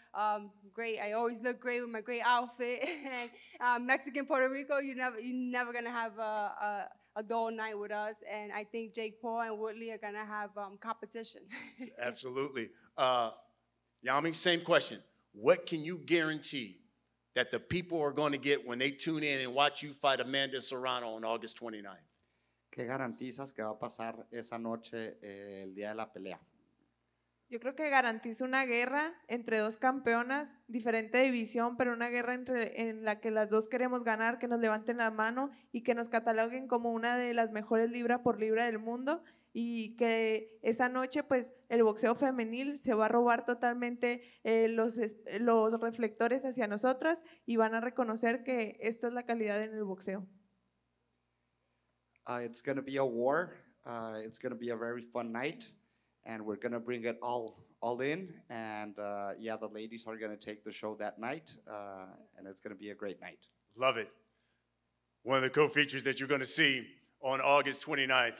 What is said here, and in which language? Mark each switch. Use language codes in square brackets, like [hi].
[en] I always look great with my great outfit. And Mexican Puerto Rico, you're never going to have a dull night with us. And I think Jake Paul and Woodley are going to have competition. Absolutely. Yami, same question. What can you guarantee that the people are going to get when they tune in and watch you fight Amanda Serrano on August 29th? [es] ¿Qué garantizas que va a pasar esa noche el día de la pelea? Yo creo que garantizo una guerra entre dos campeonas, diferente división, pero una guerra en la que las dos queremos ganar, que nos levanten la mano y que nos cataloguen como una de las mejores libra por libra del mundo. Y que esa noche, pues, el boxeo femenil se va a robar totalmente los reflectores hacia nosotras y van a reconocer que esto es la calidad en el boxeo. [en] It's going to be a war. It's going to be a very fun night. And we're going to bring it all in. And, the ladies are going to take the show that night. And it's going to be a great night. Love it. One of the co-features that you're going to see on August 29th.